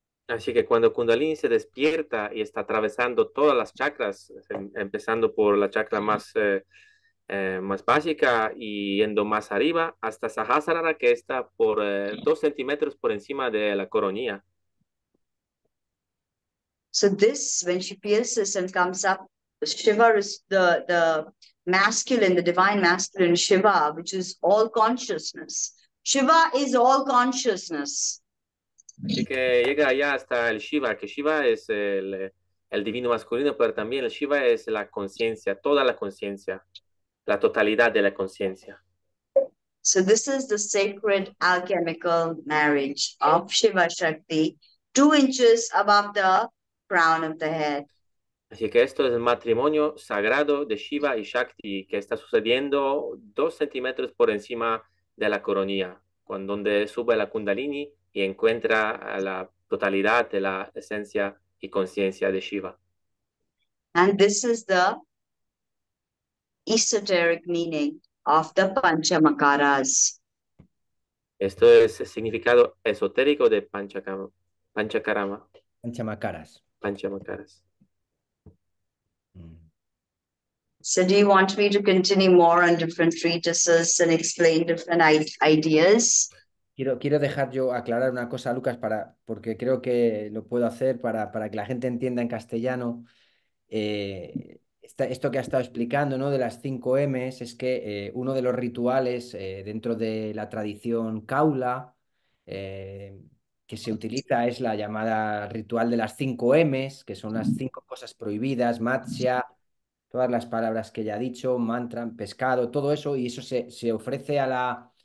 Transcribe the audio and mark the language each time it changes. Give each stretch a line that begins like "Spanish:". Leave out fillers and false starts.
Spanish: Así que cuando Kundalini se despierta y está atravesando todas las chakras, empezando por la chakra más, más básica y yendo más arriba, hasta Sahasrara, que está por 2 centímetros por encima de la coronilla.
English: So this, when she pierces and comes up, Shiva is the masculine, the divine masculine Shiva, which is all consciousness. Shiva is all consciousness.
Spanish: Así que llega allá hasta el Shiva, que Shiva es el divino masculino, pero también el Shiva es la conciencia, toda la conciencia, la totalidad de la conciencia.
English: So this is the sacred alchemical marriage of Shiva Shakti, 2 inches above the crown of the head.
Spanish: Así que esto es el matrimonio sagrado de Shiva y Shakti, que está sucediendo 2 centímetros por encima de la coronilla, donde sube la Kundalini y encuentra la totalidad de la esencia y conciencia de Shiva.
English: And this is the esoteric meaning of the Panchamakaras.
Spanish: Esto es el significado esotérico de Panchakarama.
English: Panchamakaras.
Spanish: Panchamakaras.
English: So do you want me to continue more on different treatises and explain different ideas?
Spanish: Quiero dejar yo aclarar una cosa, Lucas, porque creo que lo puedo hacer para que la gente entienda en castellano esto que ha estado explicando, ¿no? De las 5 M's, es que uno de los rituales dentro de la tradición Kaula que se utiliza es la llamada ritual de las 5 M's, que son las 5 cosas prohibidas, matsya, todas las palabras que ya ha dicho, mantra, pescado, todo eso, y eso se ofrece a la...